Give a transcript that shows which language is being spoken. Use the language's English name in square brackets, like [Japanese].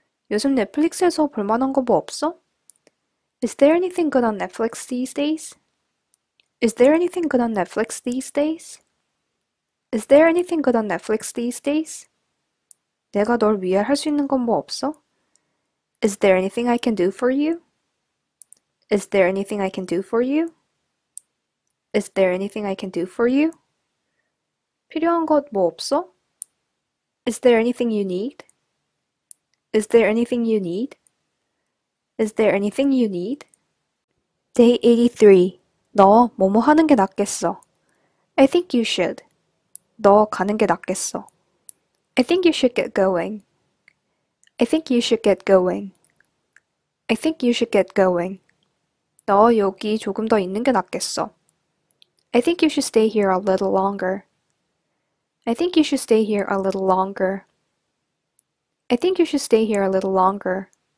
[Korean] 요즘 넷플릭스에서 볼 만한 거뭐 없어? [English] Is there anything good on Netflix these days? Is there anything good on Netflix these days? Is there anything good on Netflix these days? [Korean] 내가 널 위해 할수 있는 건뭐 없어? [English] Is there anything I can do for you? Is there anything I can do for you? Is there anything I can do for you? [Korean] 필요한 것뭐 없어? [English] Is there anything you need? Is there anything you need? Is there anything you need? Day 83. [Korean] 너 뭐뭐 하는 게 낫겠어? [English] I think you should. [Korean] 너 가는 게 낫겠어? [English] I think you should get going. I think you should get going. I think you should get going. [Korean] 너 여기 조금 더 있는 게 낫겠어? [English] I think you should stay here a little longer. I think you should stay here a little longer. I think you should stay here a little longer.